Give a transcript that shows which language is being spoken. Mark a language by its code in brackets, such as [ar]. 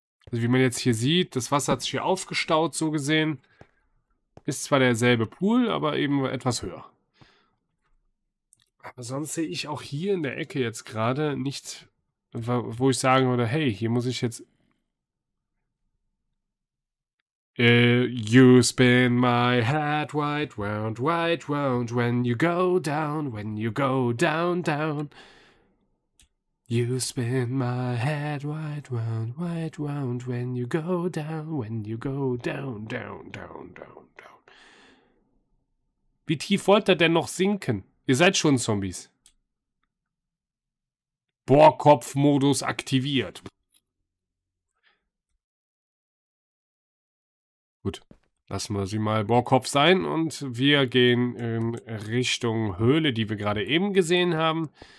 [de] Also wie man jetzt hier sieht, das Wasser hat sich hier aufgestaut, so gesehen. Ist zwar derselbe Pool, aber eben etwas höher. Aber sonst sehe ich auch hier in der Ecke jetzt gerade nichts, wo ich sagen würde, hey, hier muss ich jetzt... [en] you spin my head right round, when you go down, down. You spin my head right round, when you go down, down, down, down, down. [de] Wie tief wollt ihr denn noch sinken? Ihr seid schon Zombies. Bohrkopf-Modus aktiviert. Gut, lassen wir sie mal Bohrkopf sein und wir gehen in Richtung Höhle, die wir gerade eben gesehen haben.